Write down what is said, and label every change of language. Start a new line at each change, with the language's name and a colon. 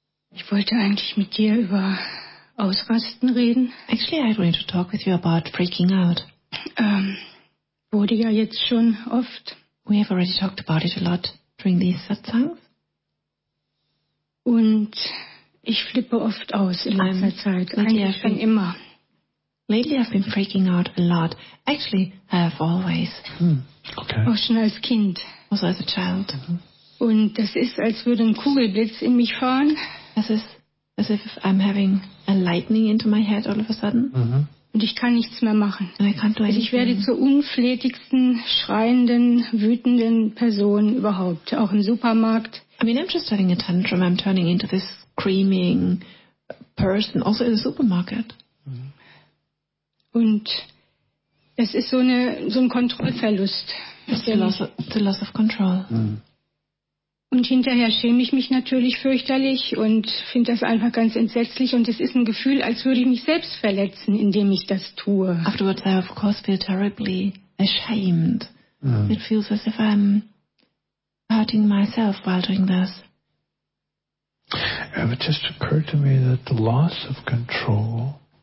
German: Ich wollte eigentlich mit dir über Ausrasten reden.
English: Actually, I wanted to talk with you about freaking out.
German: Wurde ja jetzt schon oft.
English: We have already talked about it a lot during these satsangs.
German: Und ich flippe oft aus in letzter Zeit. Eigentlich schon immer.
English: Lately I've been freaking out a lot. Actually, I have always. Okay.
German: Auch schon als Kind.
English: Also as a child. Mm-hmm.
German: Und das ist, als würde ein Kugelblitz in mich fahren.
English: As is, as if I'm having a lightning into my head all of a sudden. Mm-hmm.
German: Und ich kann nichts mehr machen.
English: And I can't do anything.
German: Also ich werde zur unflätigsten, schreienden, wütenden Person überhaupt. Auch im Supermarkt.
English: I mean, I'm just having a tantrum. I'm turning into this screaming person. Also in the supermarket. Mm-hmm.
German: Und es ist so, so ein Kontrollverlust.
English: The loss of control. Mm.
German: Und hinterher schäme ich mich natürlich fürchterlich und finde das einfach ganz entsetzlich. Und es ist ein Gefühl, als würde ich mich selbst verletzen, indem ich das tue.
English: Afterwards I of course feel terribly ashamed. Mm. It feels as if I'm hurting myself while doing this. It just occurred to me that the loss of control...